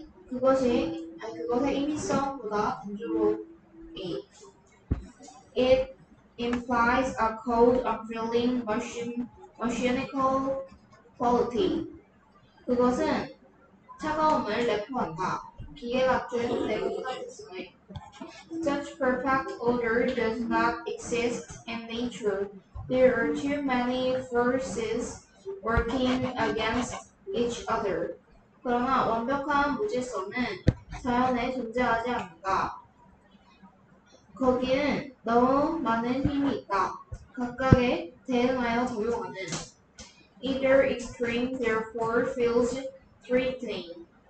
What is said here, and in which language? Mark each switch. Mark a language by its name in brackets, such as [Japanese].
[Korean] 그것의 임의성보다 단조로워. [English] It implies a cold, unfeeling, machinical quality. [Korean] 그것은 차가움을 내포한다. 기계 같은 내포자지성을. [English] Such perfect order does not exist in nature. There are too many forces working against each other. [Korean] 그러나 완벽한 무질서는 자연에 존재하지 않는다. 거기는 너무 많은 힘이 있다. 각각에 대응하여 적용하는. [English] Either extreme therefore feels threatening.